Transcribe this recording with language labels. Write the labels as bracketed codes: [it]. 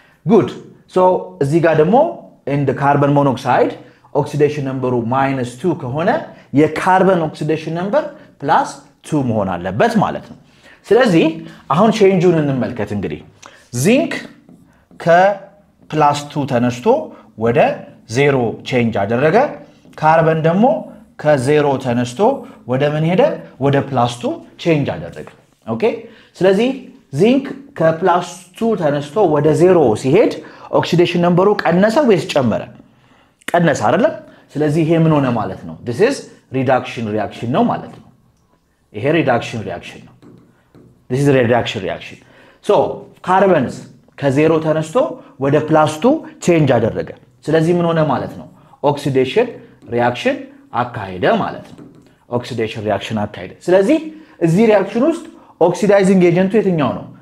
[am] ጉድ። ሶ እዚህ ጋር ደግሞ ኢንድ ካርበን ሞኖክሳይድ ኦክሲዴሽን ነምበሩ -2 ከሆነ የካርበን ኦክሲዴሽን ነምበር +2 መሆን አለበት ማለት ነው። ስለዚህ አሁን ቼንጁን እንመልከት። እንግዲህ ዚንክ ከ+2 ተነስቶ ወደ 0 ቼንጅ አደረገ። ካርበን ደግሞ ከ0 ተነስቶ ወደ ምን ሄደ? ወደ +2 ቼንጅ አደረገ። ኦኬ። ስለዚህ ዚንክ ከ+2 ተነስቶ ወደ 0 ሲሄድ ኦክሲዴሽን ነምበሩ ቀነሰ ወይስ ጨመረ? ቀነሰ አይደለ? ስለዚህ ይሄ ምን ሆነ ማለት ነው? [en] This is reduction reaction [am] ነው ማለት ነው። ይሄ [en] reduction reaction ነው። This is reduction reaction. [am] So, carbons ከ0 ተነስቶ ወደ +2 change አደረገ። ስለዚህ ምን ሆነ ማለት ነው? Oxidation reaction አካሄደ ማለት ነው። Oxidation reaction አካሄደ። ስለዚህ እዚህ reaction ውስጥ oxidizing agent የትኛው ነው?